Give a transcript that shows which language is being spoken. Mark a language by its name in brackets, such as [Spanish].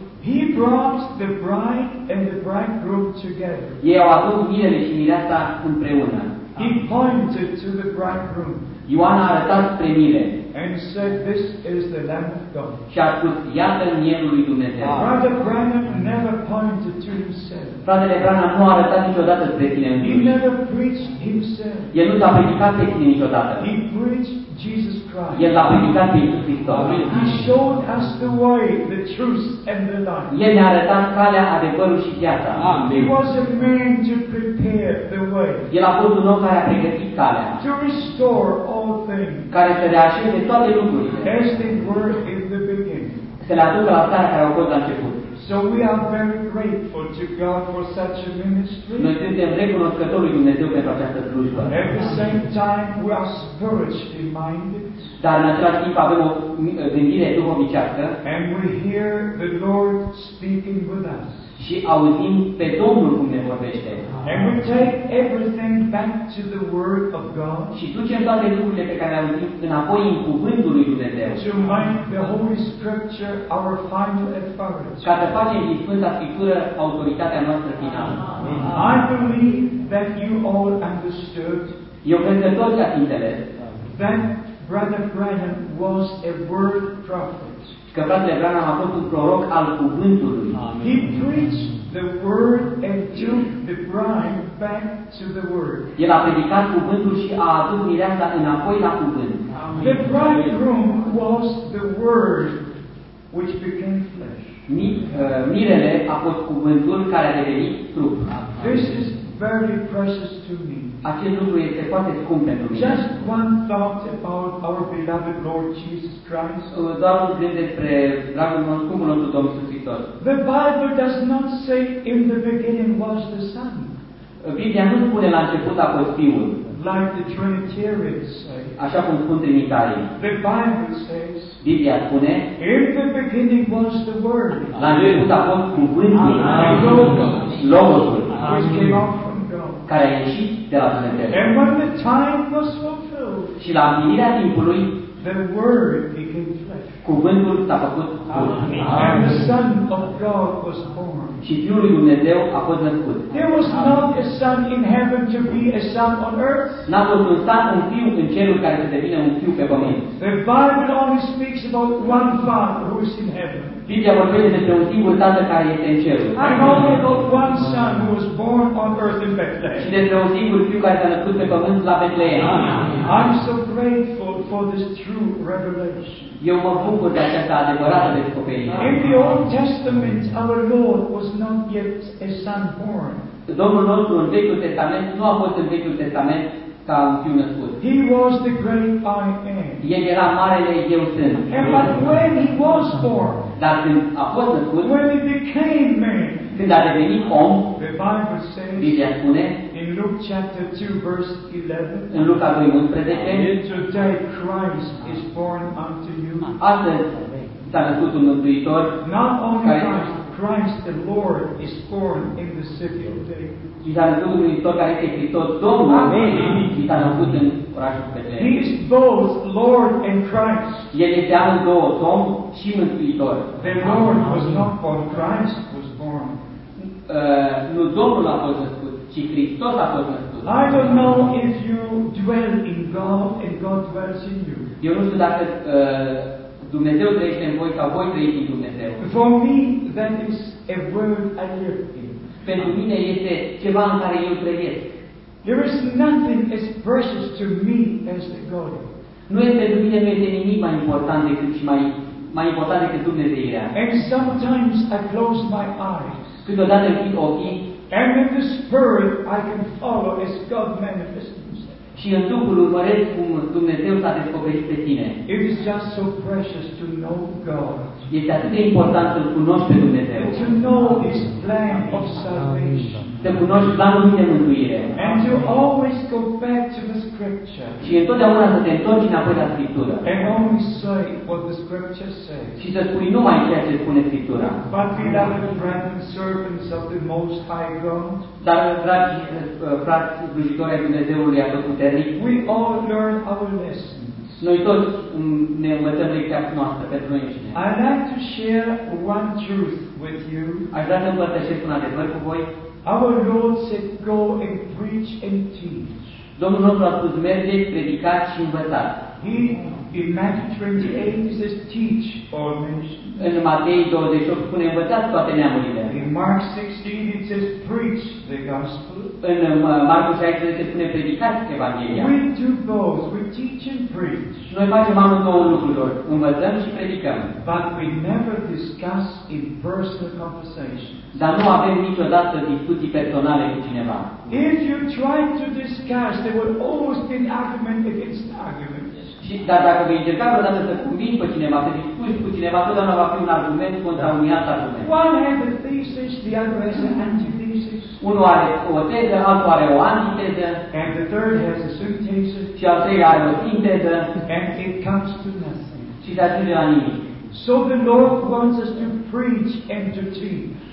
[English] He brought the bride and the bridegroom together. [Romanian] Ei au adus mirele și mireasa împreună. [English] He pointed to the bridegroom. [Romanian] Ioan a arătat spre mire. [English] And said, "This is the Lamb of God." [Romanian] Și a spus, iată mielul lui Dumnezeu. [English] Brother Branham never pointed to himself. [Romanian] Fratele Branham nu a arătat niciodată spre tine însuși. [English] He never preached himself. [Romanian] El nu s-a predicat pe tine niciodată. [English] He preached Jesus Christ. [Romanian] El l-a predicat pe Iisus Hristos. [English] He showed us the way, the truth and the life. [Romanian] El ne-a arătat calea, adevărul și viața. [English] He was a man to prepare the way. [Romanian] El a fost un om care a pregătit calea. [English] To restore all things. [Romanian] Care să reașeze toate lucrurile. [English] As they were in the beginning. [Romanian] Să le aducă la starea care au fost la început. [English] So we are very grateful to God for such a ministry. [Romanian] Noi suntem recunoscători lui Dumnezeu pentru această slujbă. [English] At the same time, we are spiritually minded. [Romanian] Dar în același timp avem o gândire duhovnicească. [English] And we hear the Lord speaking with us. [Romanian] Și auzim pe Domnul cum ne vorbește. [English] And we take everything back to the word of God. [Romanian] Și ducem toate lucrurile pe care le auzim înapoi în cuvântul lui Dumnezeu. [English] To make the Holy Scripture our final authority. [Romanian] Ca să facem din Sfânta Scriptură autoritatea noastră finală. [English] I believe that you all understood. [Romanian] Eu cred că toți ați înțeles. [English] That Brother Branham was a word prophet. [Romanian] Că fratele Branham a fost un proroc al cuvântului. [English] Amen. He preached the word and took the bride back to the word. [Romanian] El a predicat cuvântul și a adus mireasa înapoi la cuvânt. [English] Amen. The bridegroom was the word which became flesh. [Romanian] Mirele a fost cuvântul care a devenit trup. [English] This is very precious to me. [Romanian] Acest lucru este foarte scump pentru mine. [English] Just one thought about our beloved Lord Jesus Christ. [Romanian] Doar un gând despre dragul nostru, cum nostru Domnul Iisus Hristos. [English] The Bible does not say in the beginning was the Son. [Romanian] Biblia nu spune la început a fost Fiul. [English] Like the Trinitarians say. [Romanian] Așa cum spun trinitarii. [English] The Bible says. [Romanian] Biblia spune. [English] In the beginning was the Word. [Romanian] La început a fost cuvântul. [English] Logos. Which came out from God. [Romanian] Care a ieșit de la Dumnezeu. [English] And when the time was fulfilled, [Romanian] și la împlinirea timpului, [English] the word became flesh. [Romanian] cuvântul s-a făcut [English] flesh. The Son of God was born. [Romanian] Și Fiul lui Dumnezeu a fost născut. [English] There was not a son in heaven to be a son on earth. [Romanian] N-a fost un son, un fiu în cerul care să devină un fiu pe pământ. [English] The Bible only speaks about one Father who is in heaven. [Romanian] Biblia vorbește despre un singur tată care este în cer. [English] I know about one son who was born on earth in Bethlehem. [Romanian] Și despre un singur fiu care s-a născut pe pământ la Betleem. [English] I'm so grateful for this true revelation. [Romanian] Eu mă bucur de această adevărată descoperire. [English] In the Old Testament, our Lord was not yet a son born. [Romanian] Domnul nostru în Vechiul Testament nu a fost în Vechiul Testament ca un fiu născut. [English] He was the great I am. [Romanian] El era marele Eu Sunt. [English] And but when he was born, [Romanian] dar când a fost născut, [English] when he became man, [Romanian] când a devenit om, [English] the Bible says, [Romanian] Biblia spune, [English] in Luke chapter 2 verse 11, [Romanian] în Luca 2, 11, [English] today Christ is born unto you. [Romanian] Astăzi s-a născut un Mântuitor, [English] not only Christ, Christ the Lord is born in the city of David. [Romanian] S-a născut un Mântuitor care este Hristos Domnul, și s-a născut în orașul Betleem. [English] He is both Lord and Christ. [Romanian] El este amândouă, Domn și Mântuitor. [English] The Lord was not born, Christ was born. [Romanian] Nu Domnul a fost născut, ci Hristos a fost născut. [English] I don't know if you dwell in God and God dwells in you. [Romanian] Eu nu știu dacă Dumnezeu trăiește în voi sau voi trăiți în Dumnezeu. [English] For me, that is a word I live in. [Romanian] Pentru mine este ceva în care eu trăiesc. [English] There is nothing as precious to me as the God. [Romanian] Nu este pentru mine, nu este nimic mai important decât și mai important decât Dumnezeirea. [English] And sometimes I close my eyes. [Romanian] Câteodată închid ochii. [English] And in the spirit I can follow as God manifests himself. [Romanian] Și în Duhul urmăresc cum Dumnezeu s-a descoperit pe tine. [English] It is just so precious to know God. [Romanian] Este atât de important să-L cunoști pe Dumnezeu. [English] To know his plan of salvation. [Romanian] Să cunoști planul lui de mântuire. [English] And to always go back to the scripture. [Romanian] Și întotdeauna să te întorci înapoi la Scriptură. [English] And only say what the scripture says. [Romanian] Și să spui numai ceea ce spune Scriptura. [English] But we are the brethren servants of the Most High God. [Romanian] Dar dragi frați slujitori ai Dumnezeului Atotputernic. [English] We all learn our lessons. [Romanian] Noi toți ne învățăm lecția noastră pentru noi înșine. [English] I'd like to share one truth with you. [Romanian] Aș vrea să împărtășesc un adevăr cu voi. [English] Our Lord said, go and preach and teach. [Romanian] Domnul nostru a spus, mergeți, predicați și învățați. [English] He, in Matthew 28, he says, teach all nations. [Romanian] În Matei 28 spune, învățați toate neamurile. [English] In Mark 16, it says, preach the gospel. [Romanian] În Marcu 16 spune, predicați Evanghelia. [English] We do both, we teach and preach. [Romanian] Noi facem amândouă lucrurilor, învățăm și predicăm. [English] But we never discuss in personal conversation. [Romanian] Dar nu avem niciodată discuții personale cu cineva. [English] If you try to discuss, there will always be an argument against argument. [Romanian] Dar dacă vei încerca vreodată să convingi pe cineva, să discuți cu cineva, totdeauna va fi un argument contra unui alt argument. [English] One has a thesis, the other has an antithesis. [Romanian] Unul are o teză, altul are o antiteză. [English] And the third has a synthesis. [Romanian] Și al treilea are o sinteză. [English] And it comes to nothing. [Romanian] Și se ajunge la nimic. [English] So the Lord wants us to preach and to teach.